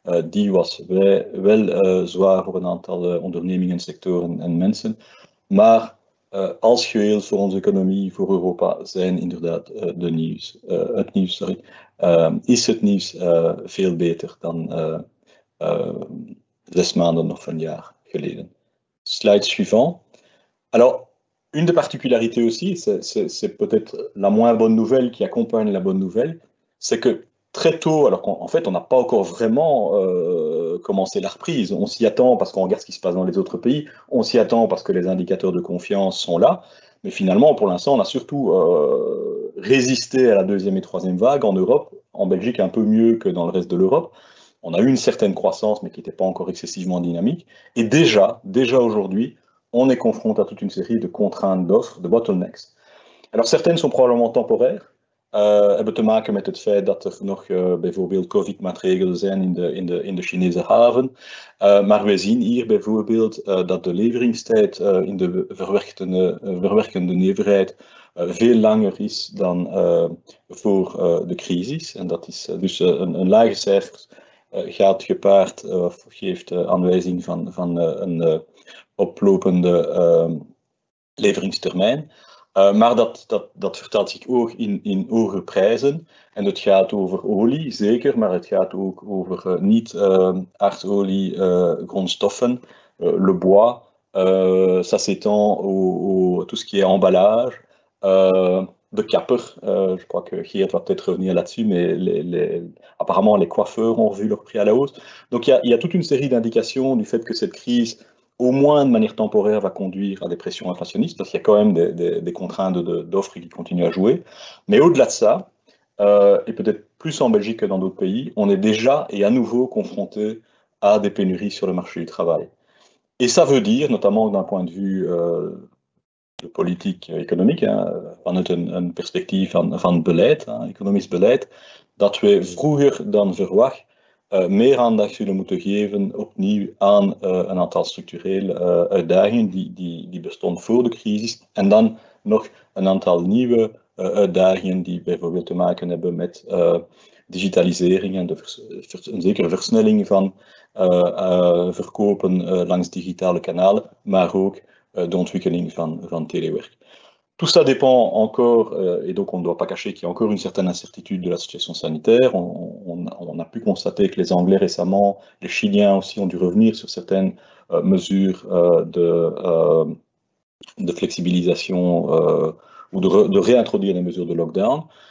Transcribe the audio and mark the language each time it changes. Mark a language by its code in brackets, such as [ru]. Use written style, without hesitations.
[nl] Die was wel zwaar voor een aantal ondernemingen, sectoren en mensen. Maar als geheel voor onze economie, voor Europa, zijn inderdaad het nieuws veel beter dan 6 maanden of een jaar geleden. [fr] Slide suivant. Alors, une des particularités aussi, c'est peut-être la moins bonne nouvelle qui accompagne la bonne nouvelle, c'est que très tôt, alors qu'en fait, on n'a pas encore vraiment commencé la reprise, on s'y attend parce qu'on regarde ce qui se passe dans les autres pays, on s'y attend parce que les indicateurs de confiance sont là, mais finalement, pour l'instant, on a surtout résisté à la deuxième et troisième vague en Europe, en Belgique un peu mieux que dans le reste de l'Europe. On a eu une certaine croissance, mais qui n'était pas encore excessivement dynamique. Et déjà aujourd'hui, on est confronté à toute une série de contraintes d'offres, de bottlenecks. Alors certaines sont probablement temporaires. [nl] Hebben te maken met het feit dat er nog bijvoorbeeld COVID-maatregelen zijn in de Chinese haven. Maar wij zien hier bijvoorbeeld dat de leveringstijd in de verwerkende overheid veel langer is dan voor de crisis. En dat is dus een lage cijfer. Gaat gepaard of geeft aanwijzing van een oplopende leveringstermijn. Maar dat vertaalt zich ook in hoge prijzen. En het gaat over olie, zeker, maar het gaat ook over niet-aardolie, grondstoffen, [fr] le bois. Ça s'étend au tout ce qui est emballage, [nl] de kapper. [fr] Je crois que Geert va peut-être revenir là-dessus, mais apparemment les coiffeurs ont revu leur prix à la hausse. Donc il y a toute une série d'indications du fait que cette crise, au moins de manière temporaire, va conduire à des pressions inflationnistes, parce qu'il y a quand même des contraintes d'offres qui continuent à jouer. Mais au-delà de ça, et peut-être plus en Belgique que dans d'autres pays, on est déjà et à nouveau confronté à des pénuries sur le marché du travail. Et ça veut dire, notamment d'un point de vue de politique économique, hein, une perspective [nl] van Belet, hein, économiste Belet, dat we vroeger dan verwacht meer aandacht zullen moeten geven opnieuw aan een aantal structurele uitdagingen die bestond voor de crisis. En dan nog een aantal nieuwe uitdagingen die bijvoorbeeld te maken hebben met digitalisering en een zekere versnelling van verkopen langs digitale kanalen, maar ook de ontwikkeling van telewerk. [fr] Tout ça dépend encore, et donc on ne doit pas cacher qu'il y a encore une certaine incertitude de la situation sanitaire. On a pu constater que les Anglais récemment, les Chiliens aussi ont dû revenir sur certaines mesures de flexibilisation ou de réintroduire les mesures de lockdown.